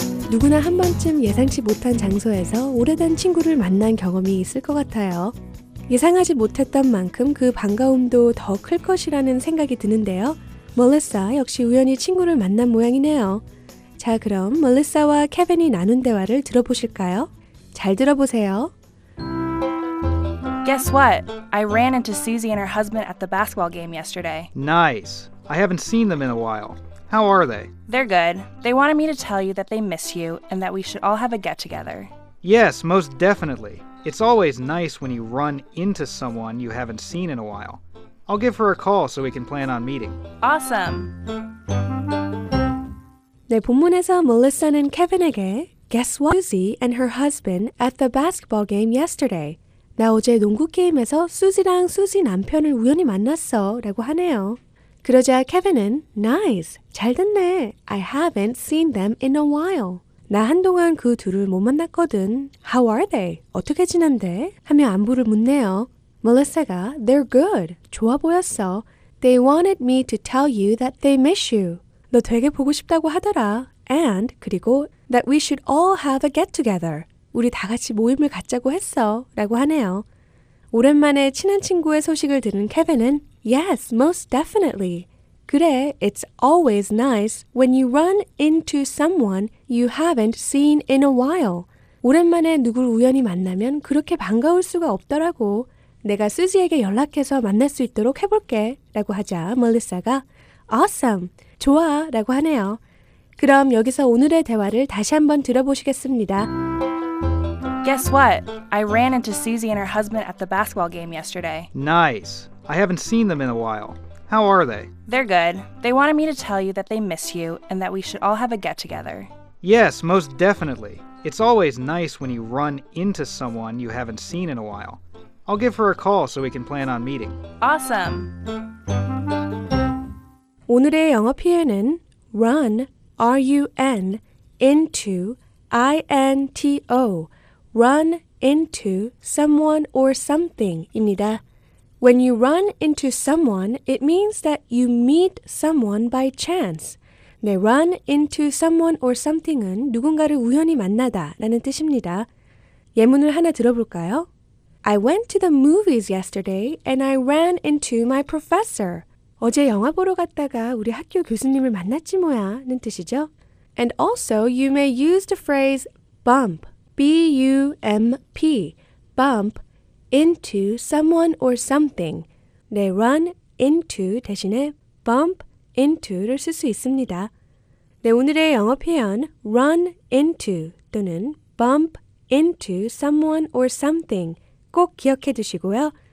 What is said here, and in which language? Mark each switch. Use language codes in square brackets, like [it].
[ko] 누구나 한 번쯤 예상치 못한 장소에서 오래된 친구를 만난 경험이 있을 것 같아요. 예상하지 못했던 만큼 그 반가움도 더 클 것이라는 생각이 드는데요. 멜리사 역시 우연히 친구를 만난 모양이네요. 자, 그럼 멜리사와 케빈이 나눈 대화를 들어보실까요? 잘 들어보세요. [en] Guess what? I ran into Susie and her husband at the basketball game yesterday. Nice. I haven't seen them in a while. How are they? They're good. They wanted me to tell you that they miss you and that we should all have a get-together. Yes, most definitely. It's always nice when you run into someone you haven't seen in a while. I'll give her a call so we can plan on meeting. Awesome! [ko] 네, 본문에서 멜리사는 케빈에게 [en] Guess what? Susie and her husband at the basketball game yesterday. [ko] 나 어제 농구 게임에서 수지랑 수지 남편을 우연히 만났어 라고 하네요. [en] 그러자 케빈은 Nice! [ko] 잘 됐네! [en] I haven't seen them in a while. [ko] 나 한동안 그 둘을 못 만났거든. [en] How are they? [ko] 어떻게 지낸대? 하며 안부를 묻네요. Melissa가 [en] They're good. [ko] 좋아 보였어. [en] They wanted me to tell you that they miss you. [ko] 너 되게 보고 싶다고 하더라. [en] And [ko] 그리고 [en] That we should all have a get-together. [ko] 우리 다 같이 모임을 갖자고 했어. 라고 하네요. 오랜만에 친한 친구의 소식을 들은 케빈은 [en] Yes, most definitely. [ko] 그래, [en] it's always nice when you run into someone you haven't seen in a while. [ko] 오랜만에 누굴 우연히 만나면 그렇게 반가울 수가 없더라고. 내가 수지에게 연락해서 만날 수 있도록 해볼게 라고 하자 멜리사가 Awesome, 좋아 라고 하네요. 그럼 여기서 오늘의 대화를 다시 한번 들어보시겠습니다. [en] Guess what? I ran into Susie and her husband at the basketball game yesterday. Nice. I haven't seen them in a while. How are they? They're good. They wanted me to tell you that they miss you and that we should all have a get-together. Yes, most definitely. It's always nice when you run into someone you haven't seen in a while. I'll give her a call so we can plan on meeting. Awesome. [ko] 오늘의 영어 표현은 run, R-U-N, into, I-N-T-O, [en] run into someone or something [ko] 입니다. [en] When you run into someone, it means that you meet someone by chance. [ko] 네, [en] run into someone or something [ko] 은 누군가를 우연히 만나다 라는 뜻입니다. 예문을 하나 들어볼까요? [en] I went to the movies yesterday and I ran into my professor. [ko] 어제 영화 보러 갔다가 우리 학교 교수님을 만났지 뭐야 는 뜻이죠. [en] And also you may use the phrase bump, B-U-M-P, bump into someone or something. [ko] 네, [en] run into [ko] 대신에 [en] bump into [ko] 를 쓸 수 있습니다. 네, 오늘의 영어 표현 [en] run into [ko] 또는 [en] bump into someone or something [ko] 꼭 기억해 두시고요.